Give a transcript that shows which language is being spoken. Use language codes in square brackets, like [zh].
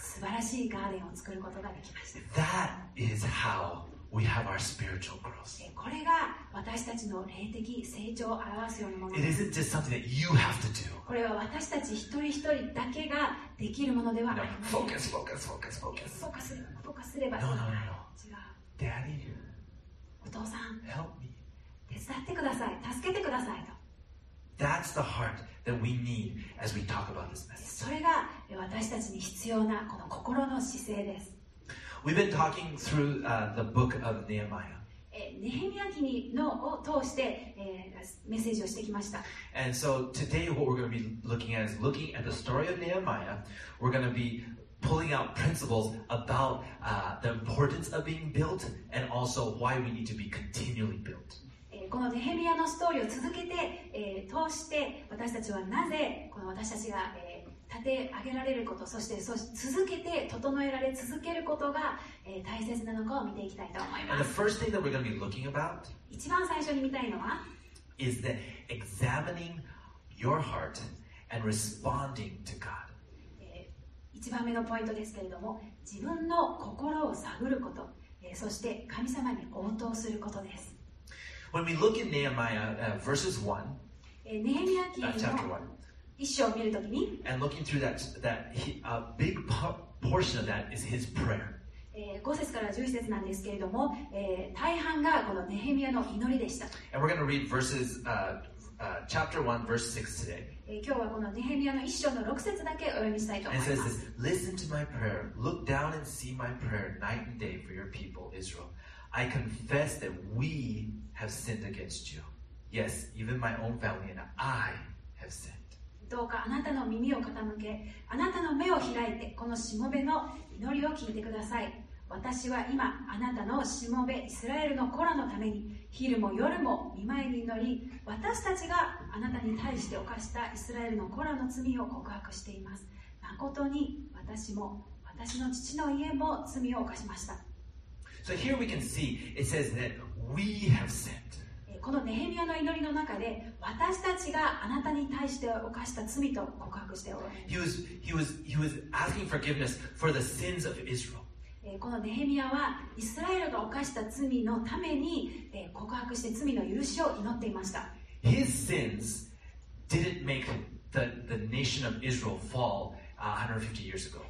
[ja] 素晴らしいガーデンを作ることができました [en] That is how we have our spiritual growth. [ja] これが私たちの霊的成長を表すようなものです。 [en] It isn't just something that you have to do. [ja] これは私たち一人一人だけができるものではありません。 [en] No, focus, focus, focus, focus. [ja] Focus すれば。 [en] No, no, no, no. [ja] 違う。 [en] Daddy. [ja] お父さん。 [en] Help me. [ja] 手伝ってください。助けてくださいと。 [en] That's the heart that we need as we talk about this message. [ja] それが私たちに必要なこの心の姿勢です。 [en] We've been talking through the book of Nehemiah. [ja] ネヘミヤ記のを通して、メッセージをしてきました。 [en] And so today what we're going to be looking at is looking at the story of Nehemiah. We're going to be pulling out principles about the importance of being built and also why we need to be continually built. [ja] このネヘミヤのストーリーを続けて、通して私たちはなぜこの私たちが、立て上げられること、そして続けて整えられ続けることが、大切なのかを見ていきたいと思います。 [en] And the first thing that we're going to be looking about [ja] 一番最初に見たいのは [en] is that examining your heart and responding to God. [ja] 一番目のポイントですけれども、自分の心を探ること、そして神様に応答することです。 [en] When we look in Nehemiah, verses 1, [ja] ネヘミヤ記の [en] chapter 1. [ja] 一章を見るときに [en] And looking through that, a big portion of that is his prayer. [ja] 5節から11節なんですけれども、大半がこのネヘミヤの祈りでした。 [en] And we're going to read verses, chapter 1, verse 6 today. [ja] 今日はこのネヘミヤの一章の6節だけお読みしたいと思います。 [en] And it says this, Listen to my prayer. Look down and see my prayer night and day for your people, Israel. I confess that we have sinned against you. Yes, even my own family and I have sinned. [ja] どうかあなたの耳を傾け、あなたの目を開いて、このしもべの祈りを聞いてください。私は今、あなたのしもべ、イスラエルの子らのために、昼も夜も御前に祈り、私たちがあなたに対して犯したイスラエルの子らの罪を告白しています。誠に私も、私の父の家も罪を犯しました。 [en] So here we can see, it says that we have sinned. [ja] このネヘミヤの祈りの中で私たちがあなたに対して犯した罪と告白しております。 [en] He was asking forgiveness for the sins of Israel. [ja] このネヘミヤはイスラエルが犯した罪のために告白して罪の許しを祈っていました。 [en] His sins didn't make the nation of Israel fall 150 years ago.